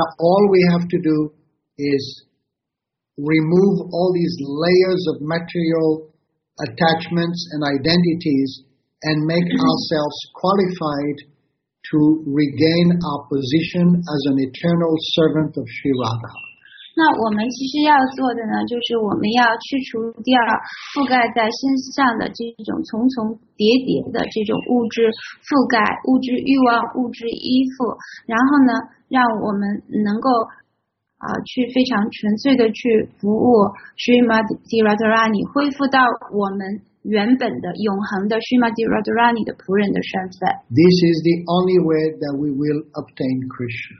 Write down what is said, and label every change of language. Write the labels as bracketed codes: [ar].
[en] Now all we have to do is remove all these layers of material attachments and identities. And make ourselves qualified to regain our position as an eternal servant of Sri Radha. [zh] 那我们其实要做的呢，就是我们要去除掉覆盖在身上的这种重重叠叠的这种物质覆盖、物质欲望、物质依附，然后呢，让我们能够去非常纯粹的去服务 Srimati Radharani， 恢复到我们。原本的永恒的 Srimati Radharani 的仆人的身份。 [en] This is the only way that we will obtain Krishna.